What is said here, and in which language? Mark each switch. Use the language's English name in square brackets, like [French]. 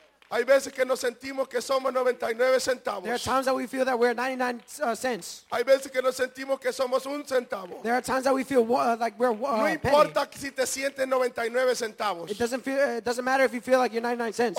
[Spanish] Hay veces que nos sentimos que somos 99 centavos. [English] There are times that we feel that we're 99 cents. [Spanish] Hay veces que nos sentimos que somos un centavo. [English] There are times that we feel like we're a penny. [Spanish] No importa si te sientes 99 centavos. [English] It doesn't matter if you feel like you're 99 cents.